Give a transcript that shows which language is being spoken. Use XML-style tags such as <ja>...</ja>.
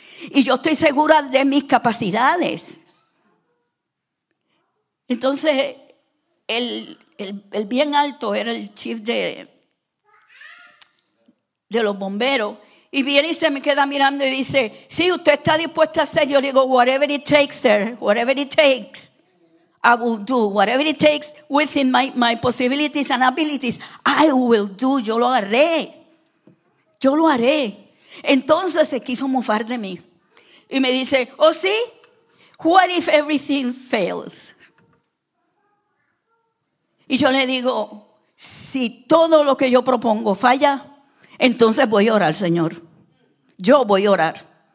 <es>Y yo estoy segura de mis capacidades. Entonces, el bien alto era el chief de los bomberos. Y viene y se me queda mirando y dice, sí, usted está dispuesta a hacer. Yo le digo,</es> <en>whatever it takes, sir, whatever it takes, I will do. Whatever it takes within my possibilities and abilities, I will do.</en> <es>Yo lo haré. Yo lo haré. Entonces se quiso mofar de mí. Y me dice, oh, sí,</es> <en>what if everything fails?</en> <es>Y yo le digo, si todo lo que yo propongo falla, entonces voy a orar, Señor. Yo voy a orar.</es>